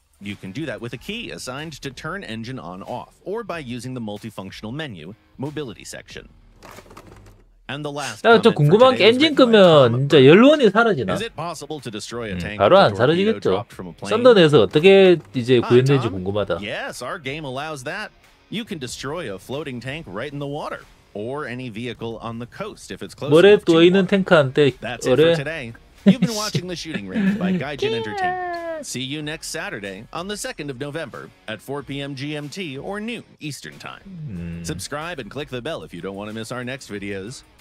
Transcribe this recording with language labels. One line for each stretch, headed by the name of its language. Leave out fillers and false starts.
English: You can do that with a key assigned to turn engine on off, or by using the multifunctional menu, mobility section. And the last.
Korean: 나 좀 궁금한 게 엔진 끄면 진짜 연료원이 사라지나? 바로 안 사라지겠죠. 썬더넷에서 어떻게 이제 구현되는지 궁금하다.
English: Yes, our game allows that. You can destroy a floating tank right in the water, or any vehicle on the coast if it's close.
Korean: 물에 떠 있는 탱크한테 어레.
English: You've been watching the shooting range by Gaijin Entertainment. See you next Saturday on the 2nd of November at 4 p.m. GMT or noon Eastern Time. Subscribe and click the bell if you don't want to miss our next videos.